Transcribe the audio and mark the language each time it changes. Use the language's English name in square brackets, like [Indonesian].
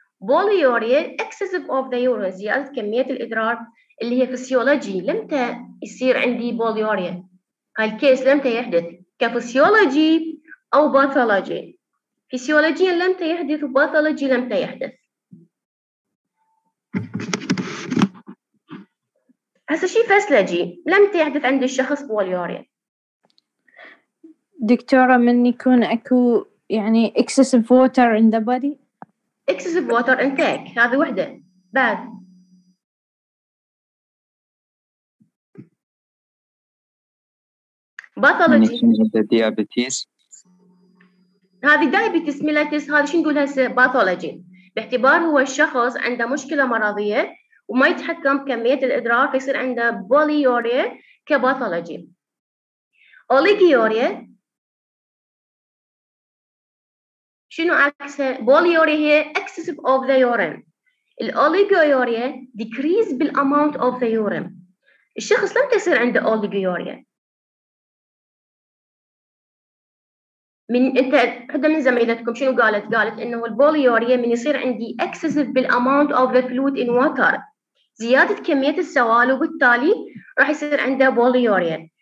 [Arabic] Polyuria [English] excessive of the urine [Arabic] زيادة كمية الإدرار اللي هي فسيولوجي لمتى يصير عندي polyuria هالكيس لمتى يحدث كفسيولوجي أو باثولوجي فسيولوجيا لمتى يحدث وباثولوجي لمتى يحدث. هسا شي فسيولوجي لمتى يحدث عند الشخص polyuria دكتورة من يكون أكو يعني [English] excessive water in the body. Excessive water intake [Arabic] هذه وحدة. بعد pathology [English] diabetes. [Arabic] هذه diabetes mellitus هذه شو نقول هسه pathology باعتبار هو الشخص عنده مشكلة مرضية وما يتحكم كمية الإدرار فيصير عنده polyuria كpathology. [English] Oliguria [Arabic] شنو عكسها؟ [English] Polyuria هي excessive of the urine. الأوليجيوريا decrease بالamount of the urine. [Arabic] الشخص لم تصير عنده أوليجيوريا. من أنت حدا من زميلتكم شنو قالت؟ قالت إنه البوليوريا من يصير عندي excessive بال [English] amount of the fluid in water، [Arabic] زيادة كمية السوال، وبالتالي راح يصير عنده بوليوريا.